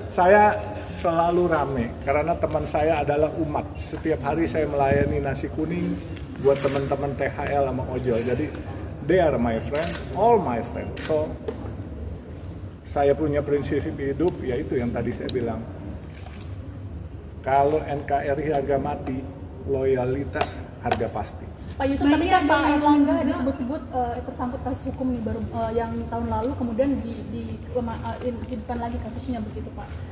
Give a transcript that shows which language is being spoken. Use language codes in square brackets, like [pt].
[id] Saya selalu rame karena teman saya adalah umat. Setiap hari saya melayani nasi kuning buat teman-teman THL sama OJOL. [en] Jadi they are my friend, all my friend. [id] So saya punya prinsip hidup, yaitu yang tadi saya bilang. kalau NKRI harga mati, loyalitas harga pasti. Pak Yusuf, tapi kan Pak Erlangga ada sebut-sebut tersangkut kasus hukum nih baru yang tahun lalu, kemudian dihidupkan lagi kasusnya begitu Pak.